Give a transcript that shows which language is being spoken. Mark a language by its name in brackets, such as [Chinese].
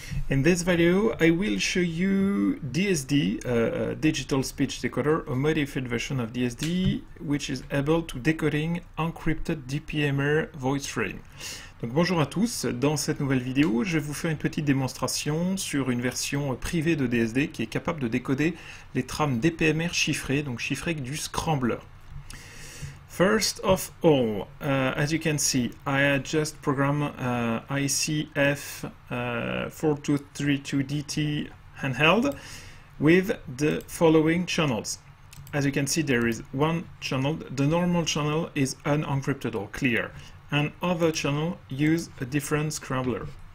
[English] In this video, I will show you DSD, Digital Speech Decoder, a modified version of DSD, which is able to decoding encrypted dPMR voice frame. [French] Donc bonjour à tous, dans cette nouvelle vidéo, je vais vous faire une petite démonstration sur une version privée de DSD qui est capable de décoder les trames dPMR chiffrées, donc chiffrées avec du scrambler. [English] First of all, as you can see, I just program ICF4232DT handheld with the following channels. As you can see, there is one channel. The normal channel is unencrypted or clear, and other channel use a different scrambler.